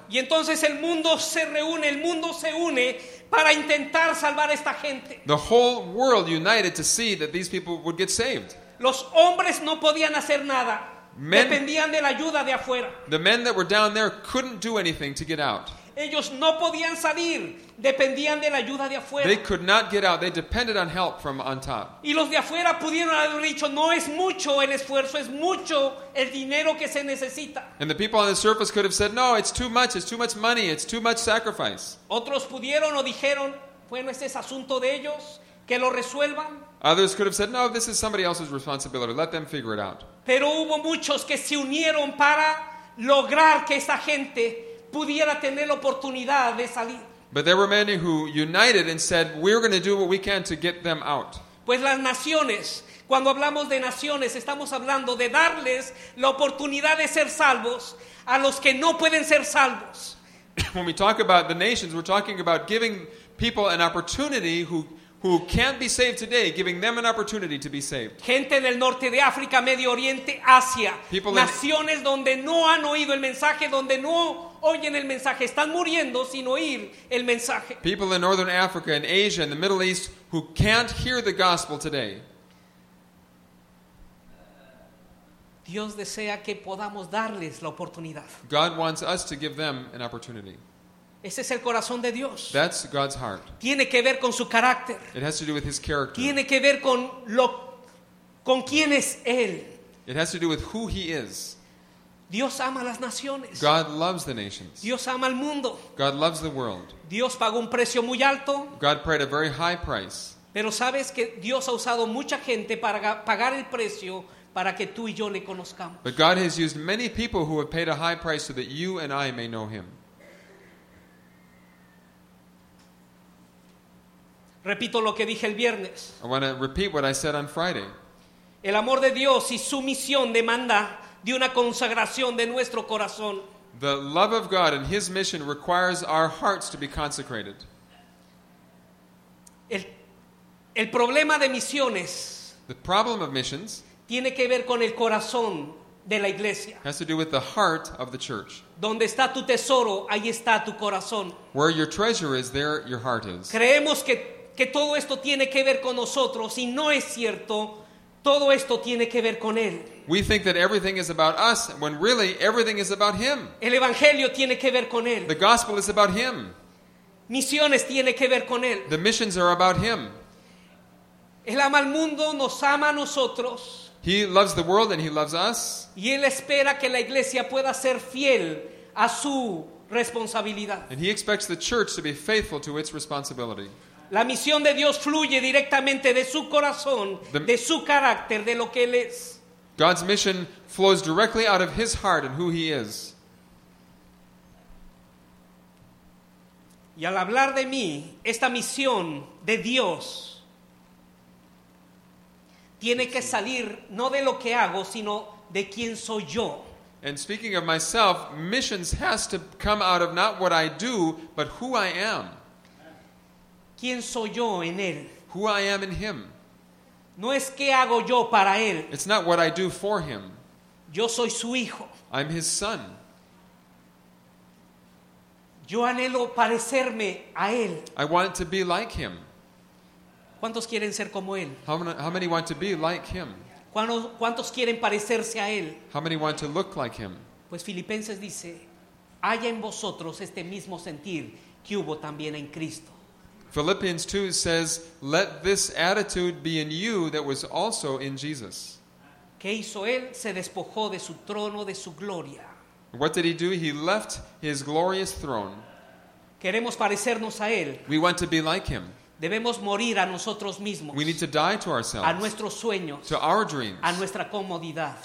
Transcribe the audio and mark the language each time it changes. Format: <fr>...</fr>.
<es>Y entonces el mundo se reúne, el mundo se une para intentar salvar a esta gente.</es> <en>The whole world united to see that these people would get saved.</en> <es>Los hombres no podían hacer nada. Men, dependían de la ayuda de afuera.</es> <en>The men that were down there couldn't do anything to get out.</en> <es>Ellos no podían salir, dependían de la ayuda de afuera.</es> <en>They could not get out, they depended on help from on top.</en> <es>Y los de afuera pudieron haber dicho, no es mucho el esfuerzo, es mucho el dinero que se necesita.</es> <en>And the people on the surface could have said, no, it's too much money, it's too much sacrifice.</en> <es>Otros pudieron o dijeron, bueno, este es asunto de ellos, que lo resuelvan.</es> <en>Others could have said, no, this is somebody else's responsibility, let them figure it out.</en> <es>Pero hubo muchos que se unieron para lograr que esa gente pudiera tener la oportunidad de salir.</es> <en>But there were many who united and said, we're going to do what we can to get them out.</en> <es>Pues las naciones, cuando hablamos de naciones, estamos hablando de darles la oportunidad de ser salvos a los que no pueden ser salvos.</es> <en>When we talk about the nations, we're talking about giving people an opportunity who can't be saved today, giving them an opportunity to be saved.</en> <es>Gente del norte de África, Medio Oriente, Asia.</es> <en>People</en> <es>naciones donde no han oído el mensaje, donde no oyen el mensaje, están muriendo sin oír el mensaje.</es> <en>People in Northern Africa and Asia and the Middle East who can't hear the gospel today.</en> <es>Dios desea que podamos darles la oportunidad.</es> <en>God wants us to give them an opportunity.</en> <es>Ese es el corazón de Dios.</es> <en>That's God's heart.</en> <es>Tiene que ver con su carácter.</es> <en>It has to do with his character.</en> <es>Tiene que ver con lo con quién es él.</es> <en>It has to do with who he is.</en> <es>Dios ama las naciones.</es> <en>God loves the nations.</en> <es>Dios ama el mundo.</es> <en>God loves the world.</en> <es>Dios pagó un precio muy alto.</es> <en>God paid a very high price.</en> <es>Pero sabes que Dios ha usado mucha gente para pagar el precio para que tú y yo le conozcamos.</es> <en>But God has used many people who have paid a high price so that you and I may know him.</en> <es>Repito lo que dije el viernes.</es> <en>I want to repeat what I said on Friday.</en> <es>El amor de Dios y su misión demanda de una consagración de nuestro corazón.</es> <en>The love of God and his mission requires our hearts to be consecrated.</en> <es>El problema de misiones.</es> <en>The problem of missions.</en> <es>Tiene que ver con el corazón de la iglesia.</es> <en>Has to do with the heart of the church.</en> <es>Donde está tu tesoro, ahí está tu corazón.</es> <en>Where your treasure is, there your heart is.</en> <es>Creemos que todo esto tiene que ver con nosotros y no es cierto. Todo esto tiene que ver con él.</es> <en>We think that everything is about us when really everything is about him.</en> <es>El evangelio tiene que ver con él.</es> <en>The gospel is about him.</en> <es>Misiones tiene que ver con él.</es> <en>The missions are about him.</en> <es>Él ama al mundo, nos ama a nosotros.</es> <en>He loves the world and he loves us.</en> <es>Y él espera que la iglesia pueda ser fiel a su responsabilidad.</es> <en>And he expects the church to be faithful to its responsibility.</en> <es>La misión de Dios fluye directamente de su corazón, de su carácter, de lo que él es.</es> <en>God's mission flows directly out of his heart and who he is.</en> <es>Y al hablar de mí, esta misión de Dios tiene que salir no de lo que hago, sino de quién soy yo.</es> <en>And speaking of myself, missions has to come out of not what I do, but who I am.</en> <es>¿Quién soy yo en él?</es> <en>Who I am in him.</en> <es>No es qué hago yo para él.</es> <en>It's not what I do for him.</en> <es>Yo soy su hijo.</es> <en>I'm his son.</en> <es>Yo anhelo parecerme a él.</es> <en>I want to be like him.</en> <es>¿Cuántos quieren ser como él?</es> <en>How many want to be like him?</en> <es>¿Cuántos quieren parecerse a él?</es> <en>How many want to look like him?</en> <es>Pues Filipenses dice, haya en vosotros este mismo sentir que hubo también en Cristo.</es> <en>Philippians 2 says, let this attitude be in you that was also in Jesus.</en> <es>¿Qué hizo él? Se despojó de su trono, de su gloria.</es> <en>What did he do? He left his glorious throne.</en> <es>Queremos parecernos a él.</es> <en>We want to be like him.</en> <es>Debemos morir a nosotros mismos.</es> <en>We need to die to ourselves.</en> <es>A nuestros sueños.</es> <en>To our dreams.</en> <es>A nuestra comodidad.</es>